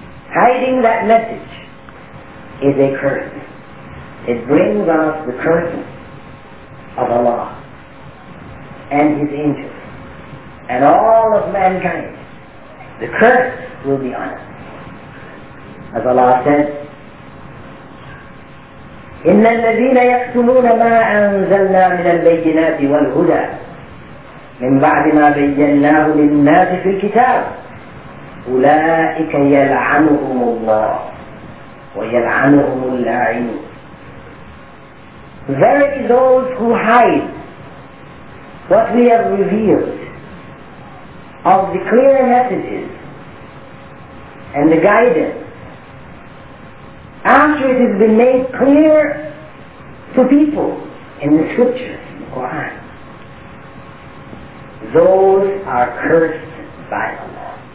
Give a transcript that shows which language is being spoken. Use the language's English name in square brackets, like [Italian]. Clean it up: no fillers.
[English] Hiding that message is a curse. It brings us the curse of Allah and his angels and all of mankind, the curse will be on us. [Arabic] As Allah said, إِنَّ الَّذِينَ يَكْتُمُونَ مَا أَنزَلْنَا مِنَ الْبَيِّنَاتِ وَالْهُدَى مِنْ بَعْدِ مَا بَيَّنَّاهُ لِلنَّاسِ فِي الْكِتَابِ أُولَٰئِكَ يَلْعَنُهُمُ اللَّهُ وَيَلْعَنُهُمُ اللَّاعِنُونَ. [English] Verily those who hide what we have revealed of the clear messages and the guidance after it has been made clear to people in the scriptures, in the Quran, those are cursed by Allah.